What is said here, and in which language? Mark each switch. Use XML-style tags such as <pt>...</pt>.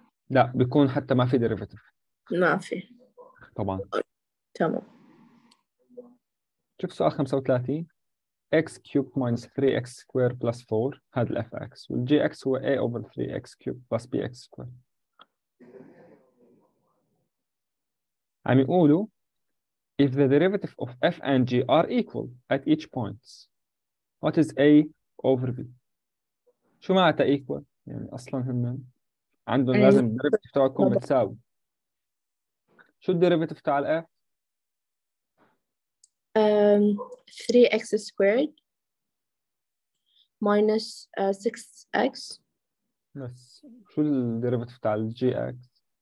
<ar>لا بيكون حتى ما في ديريفيتيف ما في. طبعا. تمام. شوف سؤال</ar> <en>35 x cube minus 3x square plus 4 هذا الاف x, والجي اكس هو a over 3x cube plus b x square.</en> <ar>عم يقولوا</ar> <en>if the derivative of f and g are equal at each point what is a over b؟</en> <ar>شو معناتها equal؟ يعني اصلا هم عندهم لازم الديريفيتيف تبعكم متساوي. شو الديريفيتيف تبع الاف؟</ar> <en>3x squared minus 6x.</en> <ar>بس شو الديريفيتيف تاع الجي اكس؟</ar>